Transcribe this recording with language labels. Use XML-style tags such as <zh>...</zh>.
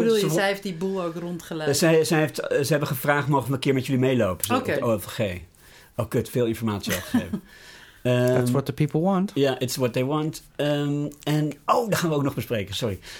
<nl>Zij heeft die boel ook rondgeleid? Ze hebben gevraagd, mogen we een keer met jullie meelopen? Oké. OFG. Oh, kut, veel informatie al gegeven.</nl> <en>That's what the people want. Ja, yeah, it's what they want.</en> <nl>Dat gaan we ook nog bespreken, sorry.</nl>